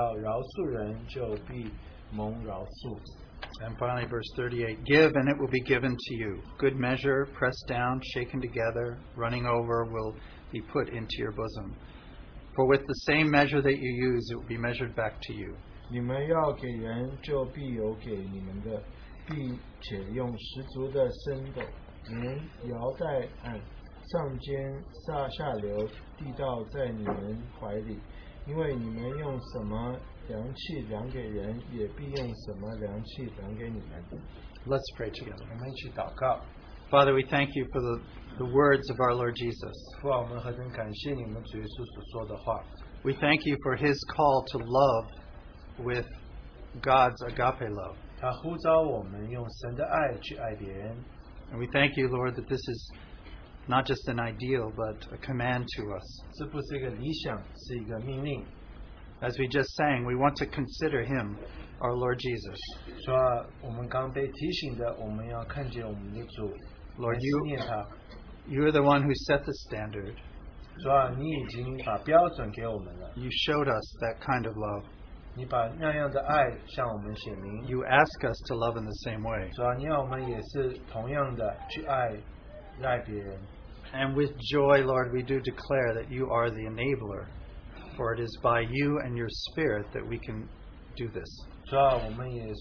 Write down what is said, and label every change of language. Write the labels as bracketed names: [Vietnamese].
[Chinese] 你们要慈悲，像你们的父慈悲一样。你们不要论断人，就不被论断；你们不要定人的罪，就不被定罪。你们要饶恕人，就必蒙饶恕。 [English] And finally, verse 38, give and it will be given to you. Good measure, pressed down, shaken together, running over, will be put into your bosom. For with the same measure that you use, it will be measured back to you. [Chinese] 你们要给人，就必有给你们的；必且用十足的伸斗，连腰带按，上肩下下流，地道在你们怀里。因为你们用什么量器量给人，也必用什么量器量给你们。 [English] Let's pray together. [Chinese] 我们一起祷告。 [English] Father, we thank you for the words of our Lord Jesus. [Chinese] 父啊，我们何等感谢你们主耶稣所说的话。 [English] We thank you for His call to love with God's agape love. [Chinese] 他呼召我们用神的爱去爱别人。 [English] And we thank you, Lord, that this is not just an ideal, but a command to us. [Chinese] 这不是一个理想，是一个命令。 [English] As we just sang, we want to consider Him, our Lord Jesus. [Chinese] 主啊，我们刚被提醒的，我们要看见我们的主。 [English] Lord, you are the one who set the standard. [Chinese] 主啊，你已经把标准给我们了。 [English] You showed us that kind of love. [Chinese] 你把那样的爱向我们显明。 [English] You ask us to love in the same way. [Chinese] 主啊，你要我们也是同样的去爱别人。 [English] And with joy, Lord, we do declare that you are the enabler, for it is by you and your Spirit that we can do this.